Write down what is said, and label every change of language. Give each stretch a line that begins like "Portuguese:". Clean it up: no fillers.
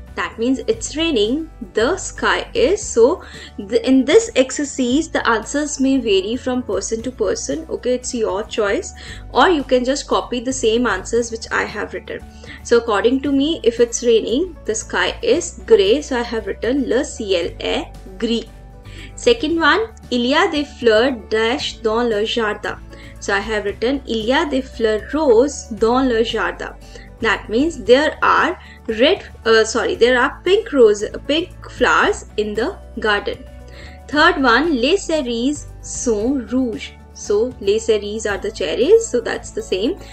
English: That means it's raining, the sky is. So in this exercise, the answers may vary from person to person. Okay, it's your choice. Or you can just copy the same answers which I have written. So according to me, if it's raining, the sky is grey. So I have written
French: le ciel est gris.
English: Second one,
French: il y a des fleurs dash dans le jardin.
English: So I have written
French: il y a des fleurs roses dans le jardin.
English: That means there are pink rose, pink flowers in the garden. Third one,
French: les cerises sont rouges.
English: So les cerises are the cherries, so that's the same.